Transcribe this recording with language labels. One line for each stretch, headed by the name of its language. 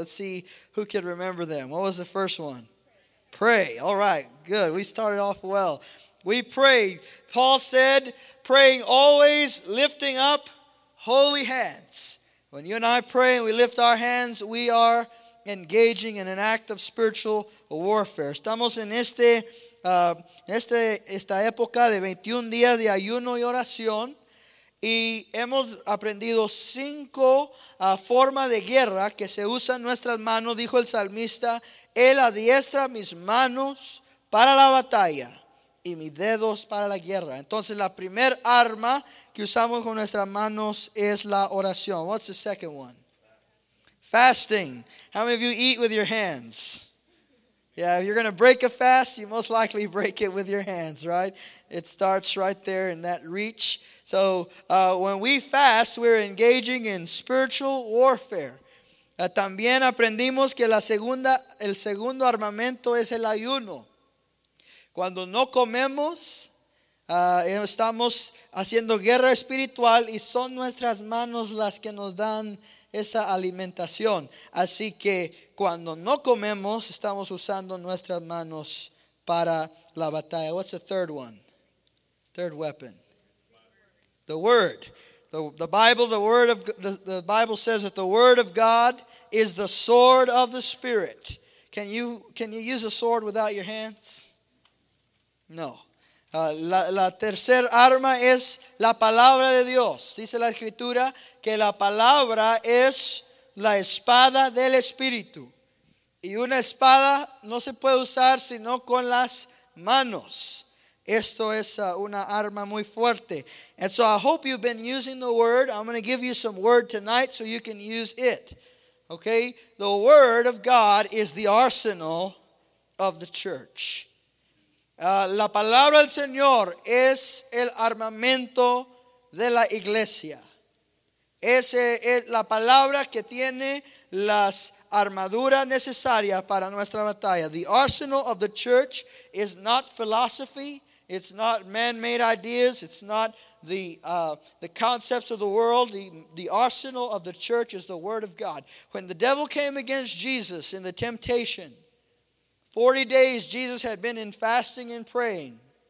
English: Let's see who can remember them. What was the first one? Pray. All right, good. We started off well. We prayed. Paul said, praying always, lifting up holy hands. When you and I pray and we lift our hands, we are engaging in an act of spiritual warfare.
Spanish: Estamos en esta época de 21 días de ayuno y oración. Y hemos aprendido cinco formas de guerra que se usan nuestras manos. Dijo el salmista, él adiestra mis manos para la batalla y mis dedos para la guerra. Entonces, la primer arma que usamos con nuestras manos es la oración.
English: What's the second one? Fasting. How many of you eat with your hands? Yeah, if you're going to break a fast, you most likely break it with your hands, right? It starts right there in that reach. So when we fast, we're engaging in spiritual warfare.
Spanish: También aprendimos que el segundo armamento es el ayuno. Cuando no comemos, estamos haciendo guerra espiritual y son nuestras manos las que nos dan esa alimentación. Así que cuando no comemos, estamos usando nuestras manos para la batalla.
English: What's the third one? Third weapon. The Word. The Bible, the Word of the Bible says that the Word of God is the sword of the Spirit. Can you use a sword without your hands? No.
Spanish: La tercera arma es la palabra de Dios. Dice la escritura que la palabra es la espada del espíritu. Y una espada no se puede usar sino con las manos. Esto es una arma muy fuerte.
English: And so I hope you've been using the word. I'm going to give you some word tonight so you can use it. Okay? The word of God is the arsenal of the church.
Spanish: La palabra del Señor es el armamento de la iglesia. Esa es la palabra que tiene las armaduras necesarias para nuestra batalla.
English: The arsenal of the church is not philosophy. It's not man-made ideas. It's not the concepts of the world. The arsenal of the church is the word of God. When the devil came against Jesus in the temptation, 40 days Jesus had been in fasting and praying.